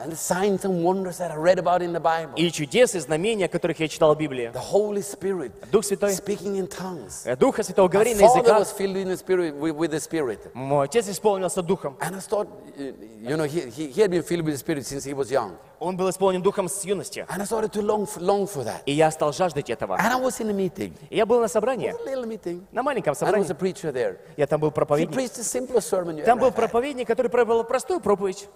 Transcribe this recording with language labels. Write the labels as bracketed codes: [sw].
[en] And the signs and wonders that I read about in the Bible. [ru] И чудес и знамения, которых я читал в Библии. [en] The Holy Spirit. [ru] Дух Святой. [en] Speaking in tongues. [ru] Духа Святого говорит на языках. [en] My father was filled in the Spirit with the Spirit. [ru] Мой отец исполнился Духом. [en] And I thought, you know, he had been filled with the Spirit since he was young. [ru] Он был исполнен Духом с юности. [en] And I started to long for that. [ru] И я стал жаждать этого. [en] And I was in a meeting. [ru] И я был на собрании. [en] It was a little meeting. [ru] На маленьком собрании. [en] And I was a preacher there. [ru] Я там был проповедник. [en] He preached a simple sermon. [ru] Там был проповедник, который провел простую проповедь.